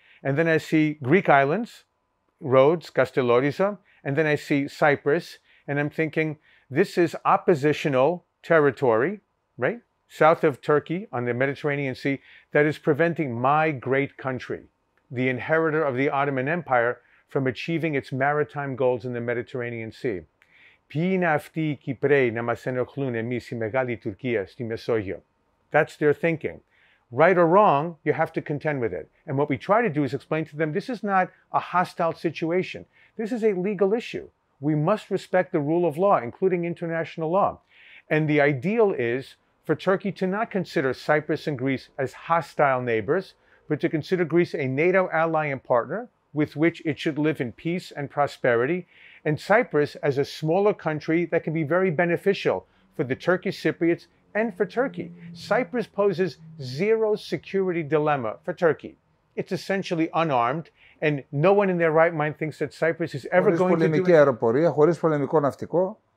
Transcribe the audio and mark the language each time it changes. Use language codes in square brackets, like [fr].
[en] And then I see Greek islands, Rhodes, Kastellorizo, and then I see Cyprus, and I'm thinking, this is oppositional territory, right? South of Turkey on the Mediterranean Sea, that is preventing my great country, the inheritor of the Ottoman Empire, from achieving its maritime goals in the Mediterranean Sea. [el] Ποιοι είναι αυτοί οι Κυπρέοι να μας ενοχλούν εμείς η μεγάλη Τουρκία στη Μεσόγειο? [en] That's their thinking. Right or wrong, you have to contend with it. And what we try to do is explain to them, this is not a hostile situation. This is a legal issue. We must respect the rule of law, including international law. And the ideal is for Turkey to not consider Cyprus and Greece as hostile neighbors, but to consider Greece a NATO ally and partner with which it should live in peace and prosperity, and Cyprus as a smaller country that can be very beneficial for the Turkish Cypriots and for Turkey. Cyprus poses zero security dilemma for Turkey. It's essentially unarmed, and no one in their right mind thinks that Cyprus is ever going to do it. [el] Χωρίς πολεμική αεροπορία, χωρίς πολεμικό ναυτικό.